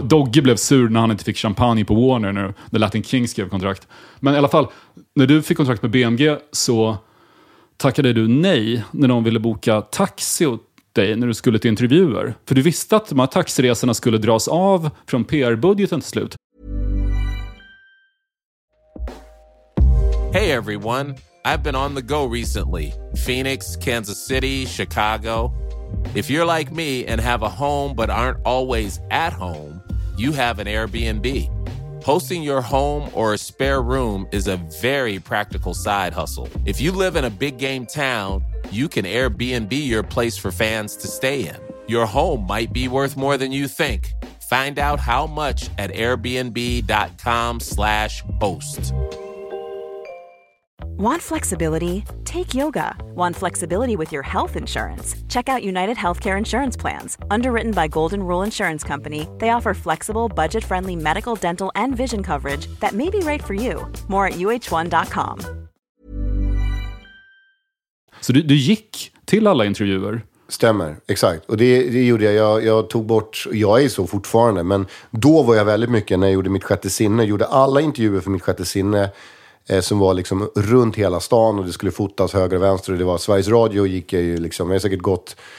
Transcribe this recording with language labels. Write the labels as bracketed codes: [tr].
[sv] Doggy blev sur när han inte fick champagne på Warner när Latin Kings skrev kontrakt. Men i alla fall, när du fick kontrakt med BMG så tackade du nej när de ville boka taxi åt dig när du skulle till intervjuer. För du visste att de här taxiresorna skulle dras av från PR-budgeten till slut. [en] Hey everyone! I've been on the go recently. Phoenix, Kansas City, Chicago. If you're like me and have a home but aren't always at home, you have an Airbnb. Hosting your home or a spare room is a very practical side hustle. If you live in a big game town, you can Airbnb your place for fans to stay in. Your home might be worth more than you think. Find out how much at airbnb.com/host. Want flexibility? Take yoga. Want flexibility with your health insurance? Check out United Healthcare Insurance Plans. Underwritten by Golden Rule Insurance Company, they offer flexible, budget-friendly medical, dental, and vision coverage that may be right for you. More at uh1.com. [sv] Så du gick till alla intervjuer? Stämmer, exakt. Och det gjorde jag. Jag tog bort, jag är så fortfarande, men då var jag väldigt mycket när jag gjorde mitt sjätte sinne. Jag gjorde alla intervjuer för mitt sjätte sinne. Som var liksom runt hela stan och det skulle fotas höger och vänster och det var Sveriges Radio, gick jag ju liksom, jag har säkert gått